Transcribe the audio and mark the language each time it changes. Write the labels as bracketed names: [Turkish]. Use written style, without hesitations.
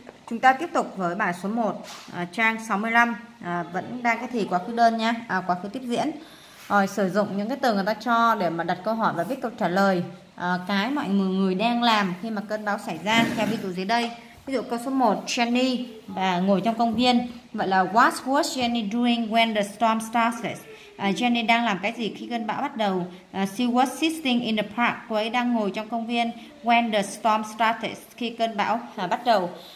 [Vietnamese] Chúng ta tiếp tục với bài số 1, trang 65, vẫn đang cái thì quá khứ đơn nha, quá khứ tiếp diễn. Rồi sử dụng những cái từ người ta cho để mà đặt câu hỏi và viết câu trả lời. Cái mọi người đang làm khi mà cơn bão xảy ra, theo ví dụ dưới đây. Ví dụ câu số 1, Jenny bà ngồi trong công viên. Vậy là [English] what was Jenny doing when the storm started? [Vietnamese] Jenny đang làm cái gì khi cơn bão bắt đầu? [English] She was sitting in the park. [Vietnamese] Cô ấy đang ngồi trong công viên. [English] When the storm started, [Vietnamese] khi cơn bão bắt đầu.